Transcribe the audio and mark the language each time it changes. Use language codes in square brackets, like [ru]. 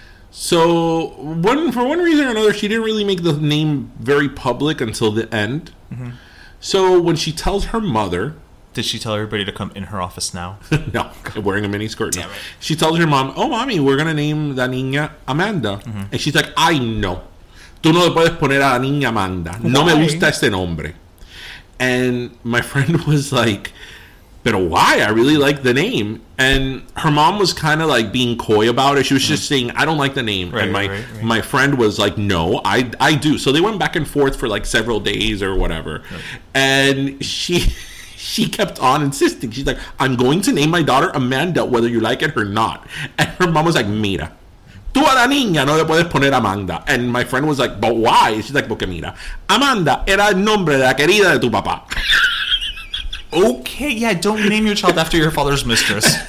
[en] So, for one reason or another, she didn't really make the name very public until the end. Mm-hmm. So, when she tells her mother... Did she tell everybody to come in her office now? No. Wearing a mini skirt. Damn it. She tells her mom, oh, mommy, we're going to name the niña Amanda. Mm-hmm. And she's like, I know. [es] Tú no le puedes poner a la niña Amanda. [en] Why? [es] No me gusta este nombre. [en] And my friend was like, but why? I really like the name. And her mom was kind of like being coy about it. She was just saying, I don't like the name. Right, and my my friend was like, no, I do. So they went back and forth for like several days or whatever. Right. And she kept on insisting. She's like, I'm going to name my daughter Amanda, whether you like it or not. And her mom was like, mira. [es] Tú a la niña no le puedes poner Amanda. [en] And my friend was like, but why? She's like, [es] porque mira, Amanda era el nombre de la querida de tu papá. [en] Okay, yeah, don't name your child after your father's mistress.